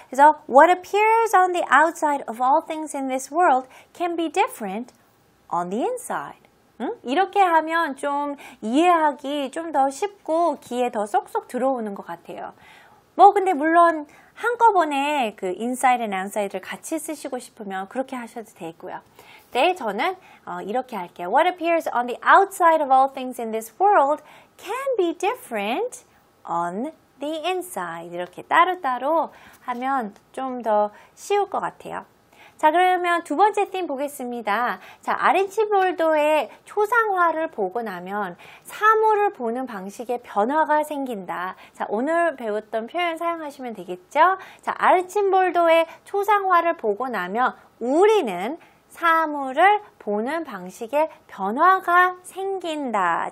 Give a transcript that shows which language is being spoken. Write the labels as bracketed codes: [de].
[ko] 그래서 [en] what appears on the outside of all things in this world can be different on the inside. [ko] 이렇게 하면 좀 이해하기 좀 더 쉽고 귀에 더 쏙쏙 들어오는 것 같아요. 뭐 근데 물론 한꺼번에 그 [en] inside and outside [ko] 를 같이 쓰시고 싶으면 그렇게 하셔도 되고요. 네, 저는 이렇게 할게요. [en] What appears on the outside of all things in this world can be different on the inside. [ko] 이렇게 따로따로 하면 좀 더 쉬울 것 같아요. 자, 그러면 두 번째 팀 보겠습니다. 자, 아르치볼드의 초상화를 보고 나면 사물을 보는 방식의 변화가 생긴다. 자, 오늘 배웠던 표현 사용하시면 되겠죠? 자, 아르치볼드의 초상화를 보고 나면 우리는 사물을 보는 방식의 변화가 생긴다.